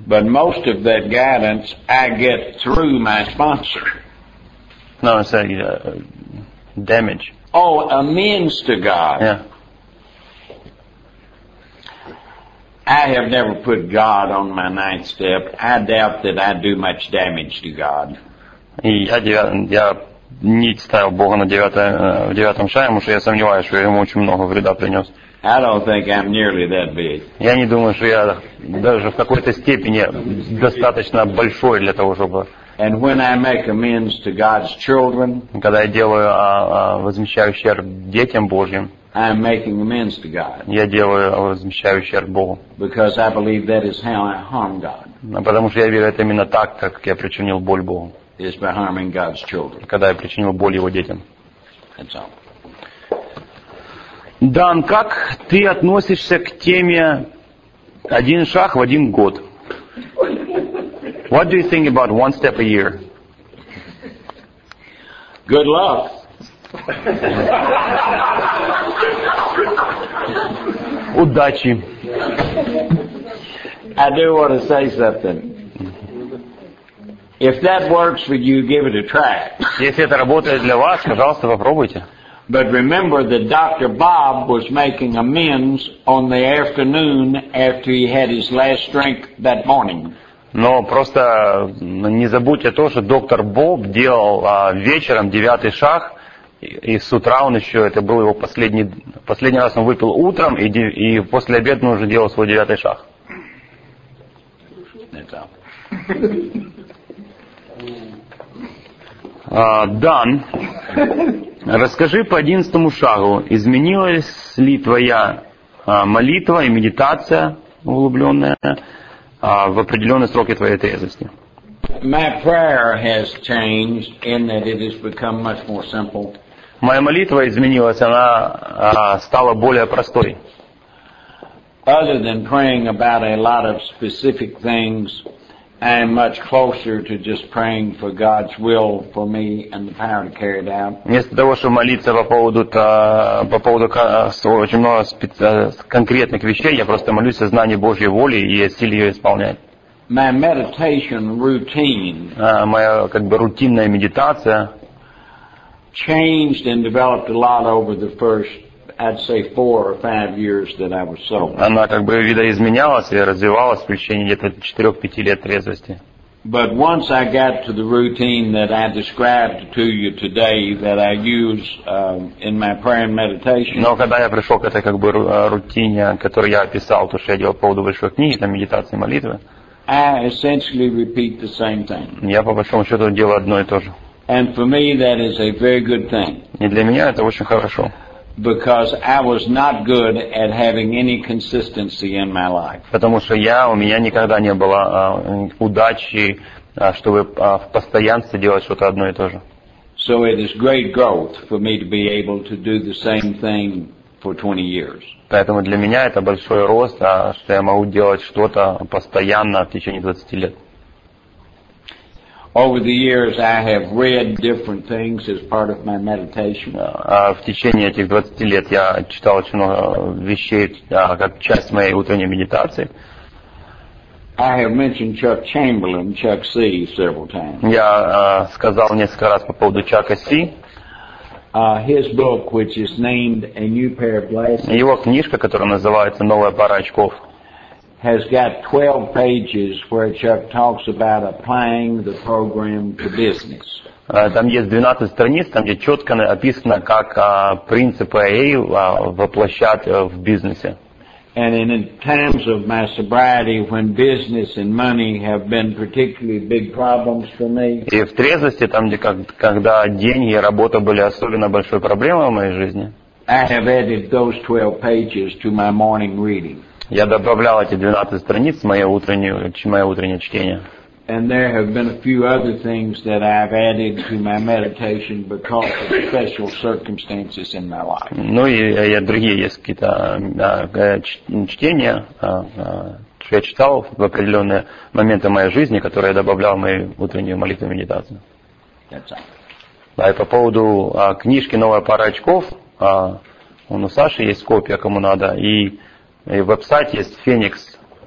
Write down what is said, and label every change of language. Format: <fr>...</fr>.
<en>But most of that guidance I get through my sponsor. No, I say damage. Oh, amends to God. Yeah. I have never put God on my ninth step. I doubt that I do much damage to God.</en> <ru>Я не ставил Бога на девятом шаге, потому что я сомневаюсь, что я ему очень много вреда принес.</ru> <en>I don't think I'm nearly that big.</en> <ru>Я не думаю, что я даже в какой-то степени достаточно большой для того, чтобы.</ru> <en>And when I make amends to God's children,</en> <ru>когда я делаю возмещаю ущерб детям Божьим,</ru> <en>I'm making amends to God.</en> <ru>Я делаю возмещаю ущерб Богу.</ru> <en>Because I believe that is how I harm God.</en> <ru>Потому что я верю, это именно так, как я причинил боль Богу.</ru> <en>Is by harming God's children.</en> <ru>Когда я причинил боль Его детям.</ru> <en>That's all.</en> <ru>Дан, как ты относишься к теме «Один шаг в один год»?</ru> <en>What do you think about one step a year? Good luck.</en> <ru>Удачи.</ru> <en>I do want to say something. If that works for you, give it a try.</en> <ru>Если это работает для вас, пожалуйста, попробуйте.</ru> <en>But remember that Dr. Bob was making amends on the afternoon after he had his last drink that morning.</en> <ru>Но просто не забудьте то, что доктор Боб делал вечером девятый шаг, и с утра он еще, это был его последний раз он выпил утром, и после обеда он уже делал свой девятый шаг.</ru> <en>That's all.</en> <ru>Дан, расскажи по 11 шагу, изменилась ли твоя молитва и медитация углубленная в определенные сроки твоей трезвости?</ru> <en>My prayer has changed in that it has become much more simple.</en> <ru>Моя молитва изменилась, она стала более простой.</ru> <en>Other than praying about a lot of specific things, I am much closer to just praying for God's will for me and the power to carry it out.</en> <ru>Вместо того, чтобы молиться по поводу очень много конкретных вещей, я просто молюсь о знании Божьей воли и о силе ее исполнять.</ru> <en>My meditation routine,</en> <ru>моя как бы рутинная медитация,</ru> <en>changed and developed a lot over the first, I'd say, 4 or 5 years that I was sober.</en> <ru>Она как бы видоизменялась и развивалась в течение где-то 4-5 лет трезвости.</ru> <en>But once I got to the routine that I described to you today, that I use in my prayer and meditation.</en> <ru>Но когда я пришел к этой как бы рутине, которую я описал, то что я делал по поводу большой книги, там медитации, молитвы.</ru> <en>I essentially repeat the same thing.</en> <ru>Я по большому счету делаю одно и то же.</ru> <en>And for me that is a very good thing.</en> <ru>И для меня это очень хорошо.</ru> <en>Because I was not good at having any consistency in my life.</en> <ru>Потому что у меня никогда не было удачи, чтобы в постоянстве делать что-то одно и то же.</ru> <en>So it is great growth for me to be able to do the same thing for 20 years.</en> <ru>Поэтому для меня это большой рост, что я могу делать что-то постоянно в течение 20 лет.</ru> <en>Over the years I have read different things as part of my meditation.</en> <ru>В течение этих 20 лет я читал очень много вещей как часть моей утренней медитации.</ru> <en>I have mentioned Chuck Chamberlain, Chuck C, several times.</en> <ru>Я сказал несколько раз по поводу Чака Си.</ru> <en>His book, which is named A New Pair of Glasses,</en> <ru>его книжка, которая называется «Новая пара очков»,</ru> <en>has got 12 pages where Chuck talks about applying the program to business.</en> <ru>Там есть 12 страниц, там где четко описано, как принципы АА воплощать в бизнесе.</ru> <en>And in times of my sobriety, when business and money have been particularly big problems for me.</en> <ru>И в трезвости, там где когда деньги и работа были особенно большой проблемой в моей жизни.</ru> <en>I have added those 12 pages to my morning reading.</en> <ru>Я добавлял эти 12 страниц в мое утреннее чтение.</ru> <en>And there have been a few other things that I've added to my meditation because of special circumstances in my life.</en> <ru>Ну и я другие есть какие-то чтения, что я читал в определенные моменты моей жизни, которые я добавлял в мою утреннюю молитву и медитацию.</ru> <en>That's all.</en> <ru>Да, и по поводу книжки «Новая пара очков», у Саши есть копия, кому надо, и веб-сайт есть «Феникс».</ru>